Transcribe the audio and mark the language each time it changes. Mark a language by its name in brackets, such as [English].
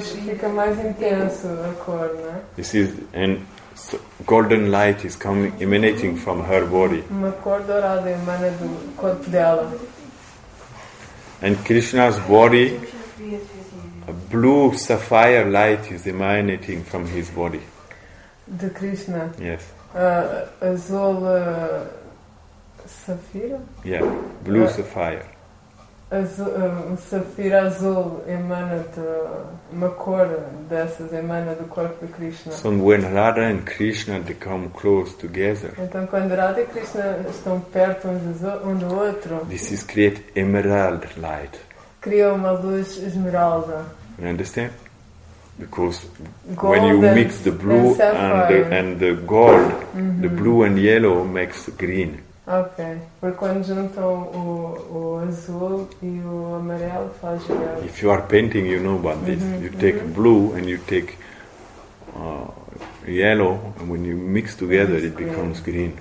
[Portuguese] Fica mais intenso a cor, né? [English] This is and so golden light is coming emanating from her body. [Portuguese] Uma cor dourada emana do corpo dela. [English] And Krishna's body. A blue sapphire light is emanating from his body. [Portuguese] De Krishna. [English] Yes. [Portuguese] Azul Sapphire? [English] Yeah, blue sapphire. [Portuguese] Um sapphire azul emana de uma cor dessas, emana do corpo de Krishna. [English] So when Radha and Krishna they come close together. [Portuguese] Então quando Radha e Krishna estão perto um do outro. [English] This is create emerald light. [Portuguese] Cria uma luz esmeralda. [English] You understand? Because gold when you mix the blue and the gold, mm-hmm. the blue and yellow makes green. [Portuguese] Okay, porque quando juntam o azul e o amarelo faz verde. [English] If you are painting, you know about this. Mm-hmm. You take blue and you take yellow, and when you mix together, it becomes green.